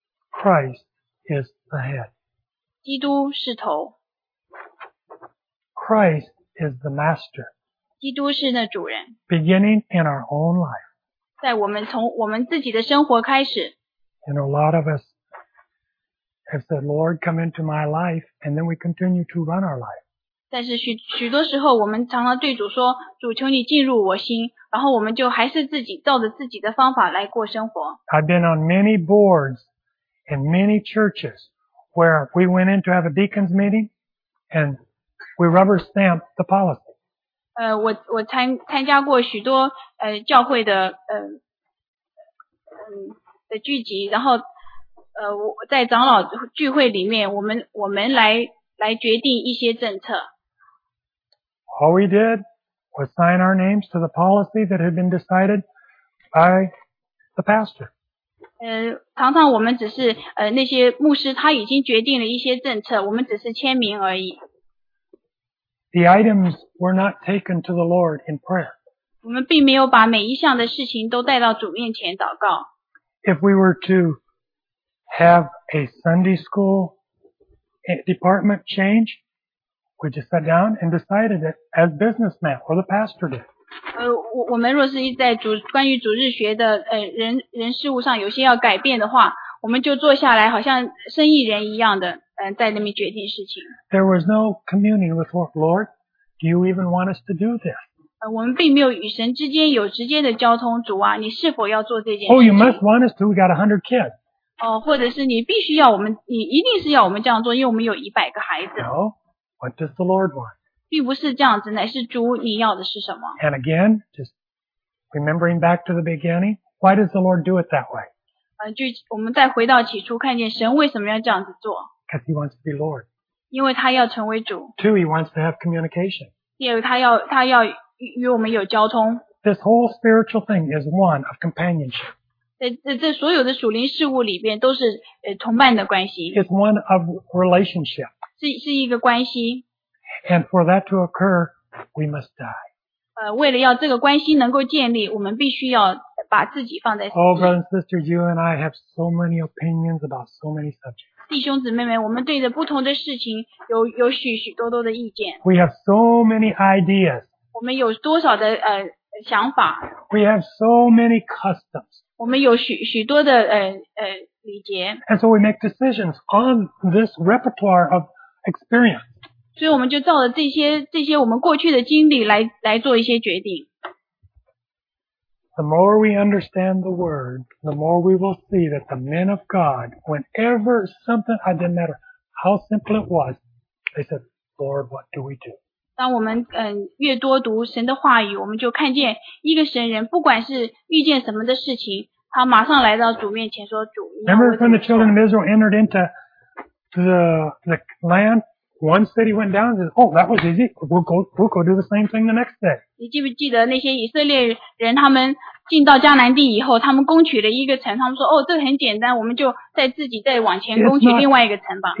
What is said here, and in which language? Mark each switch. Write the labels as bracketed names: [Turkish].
[English] Christ is the head. [Chinese] 基督是头。 [English] Christ is the master. [Chinese] 基督是那主人。 [English] Beginning in our own life. [Chinese] 在我们从我们自己的生活开始。 [English] And a lot of us have said, Lord, come into my life, and then we continue to run our life. [Chinese] 但是许多时候我们常常对主说，主求你进入我心，然后我们就还是自己照着自己的方法来过生活。 [English] I've been on many boards and many churches where we went in to have a deacon's meeting and we rubber stamped the policy. [Chinese] 我参加过许多教会的的聚集，然后我在长老聚会里面，我们来决定一些政策。 [English] All we did was sign our names to the policy that had been decided by the pastor. [Chinese] 常常我们只是那些牧师他已经决定了一些政策，我们只是签名而已。 [English] The items were not taken to the Lord in prayer. [Chinese] 我们并没有把每一项的事情都带到主面前祷告。 [English] If we were to have a Sunday school department change, we just sat down and decided it as businessmen or the pastor did. [Chinese] 我们若是在关于主日学的人事物上有些要改变的话，我们就坐下来好像生意人一样的在那边决定事情。 [English] There was no communion with Lord. Do you even want us to do this? [Chinese] 我们并没有与神之间有直接的交通，主啊，你是否要做这件事情？ [English] Oh, you must want us to. We got 100 kids. [Chinese] 或者是你必须要我们，你一定是要我们这样做，因为我们有100个孩子。 [English] No, what does the Lord want? [Chinese] 并不是这样子，乃是主你要的是什么 [English] ？And again, just remembering back to the beginning, why does the Lord do it that way? [Chinese] 就我们再回到起初，看见神为什么要这样子做？ [English] Because he wants to be Lord. [Chinese] 因为他要成为主。 [English] Two, he wants to have communication. [Chinese] 第二，他要与我们有交通。 [English] This whole spiritual thing is one of companionship. [Chinese] 在所有的属灵事物里边，都是同伴的关系。 [English] It's one of relationship. [Chinese] 是一个关系。 [English] And for that to occur, we must die. [Chinese] 为了要这个关系能够建立，我们必须要把自己放在。 [English] Oh, brothers and sisters, you and I have so many opinions about so many subjects. [Chinese] 弟兄姊妹们，我们对着不同的事情有许许多多的意见。 [English] We have so many ideas. [Chinese] 我们有多少的想法。 [English] We have so many customs. [Chinese] 我们有许多的礼节。 [English] And so we make decisions on this repertoire of experience. [Chinese] 所以我们就照着这些我们过去的经历来做一些决定。 [English] The more we understand the word, the more we will see that the men of God, whenever something, it didn't matter how simple it was, they said, Lord, what do we do? [Chinese] 当我们越多读神的话语，我们就看见一个神人，不管是遇见什么的事情，他马上来到主面前说，主。 [English] Remember when the children of Israel entered into the land? One city went down and said, oh, that was easy. We'll go do the same thing the next day. [Chinese] 你记不记得那些以色列人他们进到迦南地以后他们攻取了一个城他们说哦，这很简单我们就再自己再往前攻取另外一个城吧。